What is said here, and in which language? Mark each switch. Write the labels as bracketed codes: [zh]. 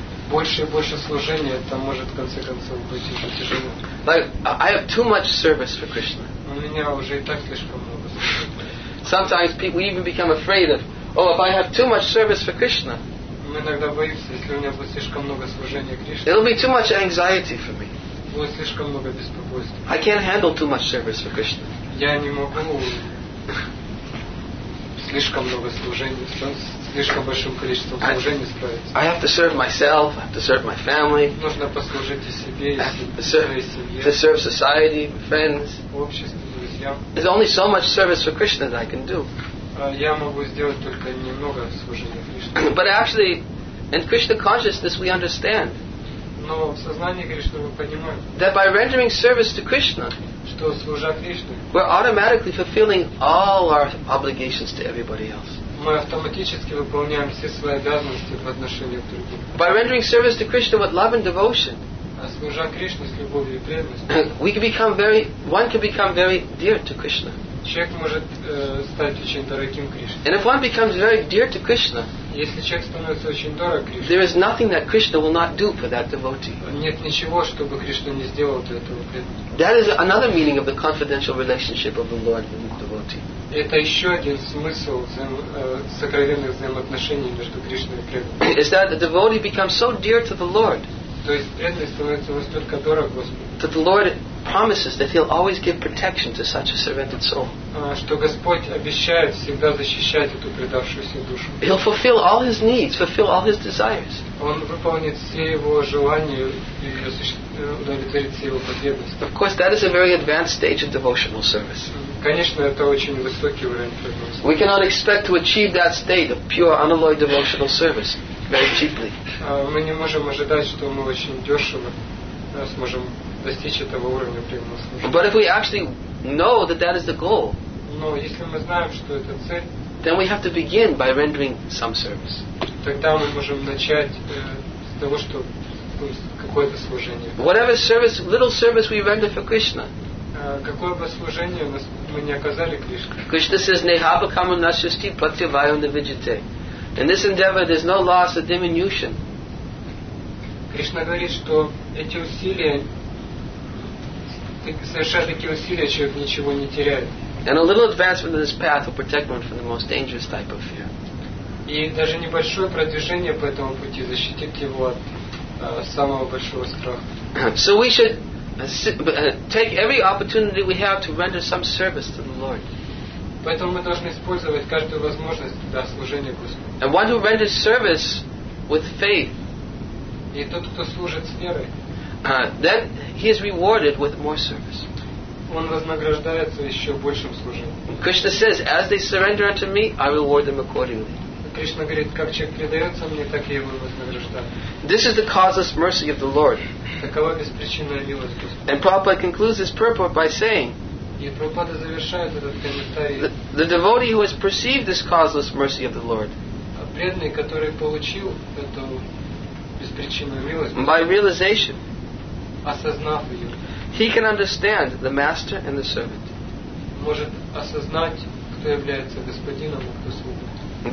[ru] больше и больше служения, это может в конце концов быть уже тяжело. [en] Like, I have too much service for Krishna. [ru] У меня уже и так слишком много. [en] Sometimes people even become afraid of, oh, if I have too much service for Krishna. [ru] Мы иногда боимся, если у меня будет слишком много служения Кришне. [en] It'll be too much anxiety for me. [ru] Будет слишком много беспокойства. [en] I can't handle too much service for Krishna. [ru] Я не могу слишком много служения, слишком большим количеством служения справиться. [en] I have to serve myself, I have to serve my family. [ru] Нужно послужить и себе, и своей семье. [en] To serve society, friends. [ru] Обществу, друзьям. [en] There's only so much service for Krishna that I can do. [ru] Я могу сделать только немного служения Кришне. [en] But actually, in Krishna consciousness, we understand. [ru] Но в сознании Кришны мы понимаем. [en] That by rendering service to Krishna. [ru] Что служа Кришне. [en] We're automatically fulfilling all our obligations to everybody else. [ru] Мы автоматически выполняем все свои обязанности в отношении к другим. [en] By rendering service to Krishna with love and devotion. [ru] А служа Кришне с любовью и преданностью. [en] We can become very, one can become very dear to Krishna. [ru] Человек может стать очень дорогим Кришне. [en] And if one becomes very dear to Krishna, [ru] если человек становится очень дорог Кришне, [en] there is nothing that Krishna will not do for that devotee. [ru] Нет ничего, чтобы Кришна не сделал для этого преданного. [en] That is another meaning of the confidential relationship of the Lord and the devotee. [ru] Это еще один смысл сокровенных взаимоотношений между Кришной и преданным. [en] Is that the devotee becomes so dear to the Lord? [ru] То есть преданный становится настолько дорог Господу. [en] That the Lord promises that he'll always give protection to such a surrendered soul. [ru] Что Господь обещает всегда защищать эту предавшуюся душу. [en] He'll fulfill all his needs, fulfill all his desires. [ru] Он выполнит все его желания и удовлетворит все его потребности. [en] Of course, that is a very advanced stage of devotional service. [ru] Конечно, это очень высокий уровень преданности. [en] We cannot expect to achieve that state of pure unalloyed devotional service very cheaply. [ru] Мы не можем ожидать, что мы очень дешево сможем достичь этого уровня преданного служения. [en] But if we actually know that that is the goal, [ru] но если мы знаем, что это цель, [en] then we have to begin by rendering some service. [ru] Тогда мы можем начать с того, что какое-то служение. [en] Whatever service, little service we render for Krishna, [ru] какое бы служение мы не оказали Кришне. [en] Krishna says, [sa] "Nehabakamu nasyasti pratyavayo navijate." [en] In this endeavor, there's no loss or diminution. [ru] Krishna говорит, что эти усилия, совершая такие усилия, человек ничего не теряет. [en] And a little advancement in this path will protect one from the most dangerous type of fear. [ru] И даже небольшое продвижение по этому пути защитит его от самого большого страха. [en] So we should take every opportunity we have to render some service to the Lord. [ru] Поэтому мы должны использовать каждую возможность для служения Господу. [en] And one who renders service with faith. [ru] И тот, кто служит с верой. [en] Then he is rewarded with more service. [ru] Он вознаграждается еще большим служением. [en] Krishna says, as they surrender unto me, I reward them accordingly. [ru] Кришна говорит, как человек предается мне, так я его вознаграждаю. [en] This is the causeless mercy of the Lord. [ru] Такова беспричинная милость Господа. [en] And Prabhupada concludes his purport by saying, [ru] и Прабхупада завершает этот комментарий, [en] the devotee who has perceived this causeless mercy of the Lord, [ru] преданный, который получил эту беспричинную милость Господа, [en] by realization, [ru] осознав ее, [en] he can understand the master and the servant. [ru] Может осознать, кто является господином и кто слугой.